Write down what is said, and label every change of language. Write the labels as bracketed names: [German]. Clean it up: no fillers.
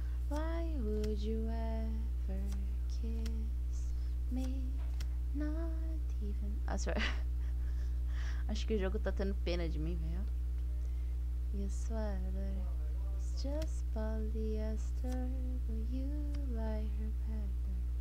[English] Why would you ever kiss me? Not even. Ah, sorry. [Portuguese] Acho que o jogo tá tendo pena de mim, velho. [English] Your sweater is just polyester, but you like her better.